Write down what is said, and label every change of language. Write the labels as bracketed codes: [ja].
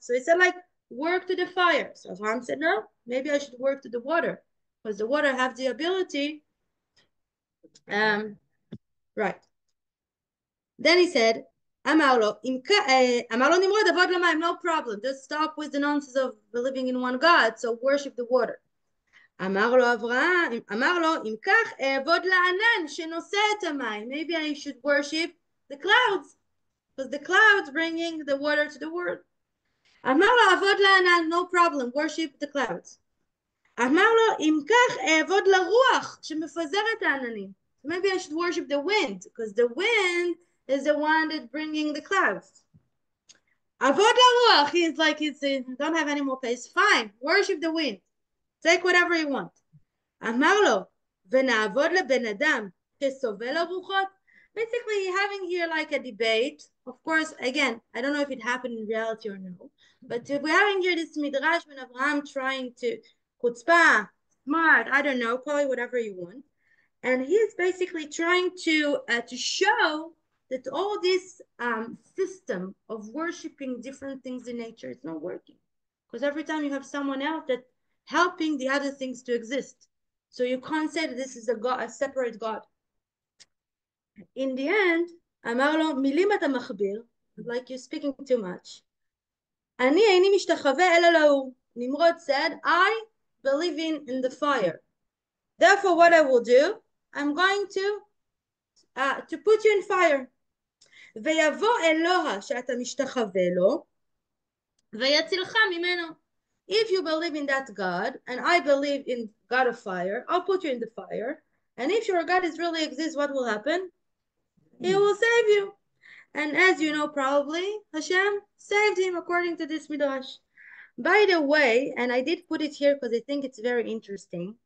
[en] So he said, like, work to the fire. So Abraham said, no, maybe I should work to the water, because the water have the ability. Right. Then he said, [he] Amalo Nimrod, avod l'mayim, [en] no problem. Just stop with the nonsense of believing in one God, so worship the water. [he] אמר לו אברהם, אמר לו, אם כך, אעבוד לענן שנושא את המים. [en] Maybe I should worship the clouds. Because the clouds bringing the water to the world. [he] אמר לו, אעבוד לענן, [en] no problem, worship the clouds. [he] אמר לו, אם כך, אעבוד לרוח שמפזר את העננים. [en] Maybe I should worship the wind, because the wind is the one that bringing the clouds. [he] אעבוד לרוח, [en] he's like, he's don't have any more place. Fine, worship the wind. Take whatever you want. [he] אמר לו, ונעבוד לבן אדם שסובל הרוחות. [en] Basically, having here like a debate, of course, again, I don't know if it happened in reality or no, but we're having here this midrash when Abraham trying to chutzpah, smart, I don't know, call it whatever you want. And he's basically trying to show that all this system of worshiping different things in nature is not working. Because every time you have someone else that helping the other things to exist. So you can't say that this is a God, a separate God. In the end, [he] אמר לו, מילים אתה מחביר, [en] like you're speaking too much. [he] אני איני משתחווה אלא לו. [en] נמרוד said, I believe in the fire. Therefore, what I will do, I'm going to put you in fire. [he] ויבוא אלוה שאתה משתחווה לו, ויצילך ממנו. [en] If you believe in that God, and I believe in God of fire, I'll put you in the fire. And if your God is really exists, what will happen? He will save you. And as you know, probably, Hashem saved him according to this midrash. By the way, and I did put it here because I think it's very interesting.